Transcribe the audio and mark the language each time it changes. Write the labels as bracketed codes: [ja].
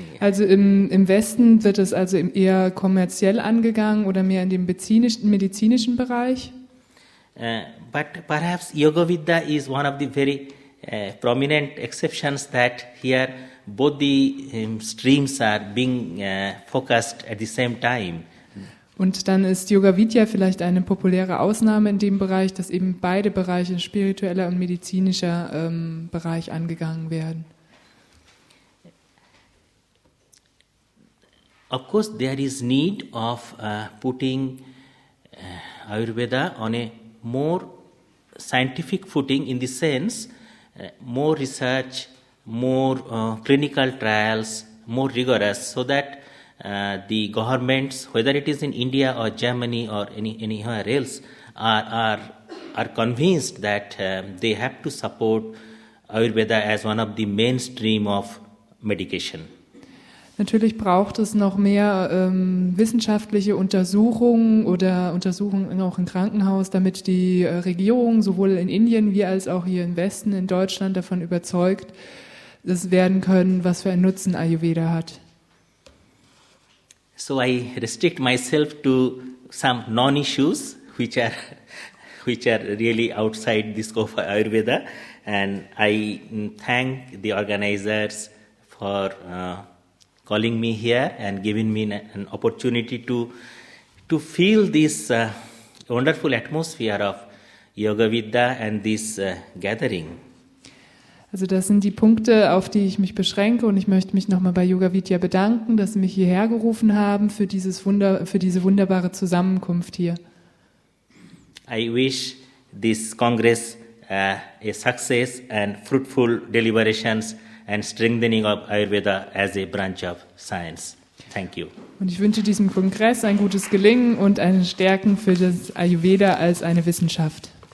[de] Also im Westen wird es also eher kommerziell angegangen oder mehr in dem medizinischen Bereich. [en] But perhaps Yoga Vidya is one of the very prominent exceptions that here both the streams are being focused at the same time. [de] Und dann ist Yoga Vidya vielleicht eine populäre Ausnahme in dem Bereich, dass eben beide Bereiche, spiritueller und medizinischer Bereich, angegangen werden. [en] Of course, there is need of putting Ayurveda on a more scientific footing in the sense more research, more clinical trials, more rigorous, so that the governments, whether it is in India or Germany or anywhere else, are convinced that they have to support Ayurveda as one of the mainstream of medication. [de] Natürlich braucht es noch mehr wissenschaftliche Untersuchungen oder Untersuchungen auch im Krankenhaus, damit die Regierung sowohl in Indien wie als auch hier im Westen, in Deutschland, davon überzeugt das werden können, was für einen Nutzen Ayurveda hat. [en] So I restrict myself to some non-issues, which are really outside the scope of Ayurveda. And I thank the organizers for calling me here and giving me an opportunity to feel this wonderful atmosphere of Yoga Vidya and this gathering. [de] Also das sind die Punkte, auf die ich mich beschränke, und ich möchte mich nochmal bei Yoga Vidya bedanken, dass sie mich hierher gerufen haben für diese wunderbare Zusammenkunft hier. [en] I wish this Congress a success and fruitful deliberations and strengthening of Ayurveda as a branch of science. Thank you. [de] Und ich wünsche diesem Kongress ein gutes Gelingen und eine Stärken für das Ayurveda als eine Wissenschaft.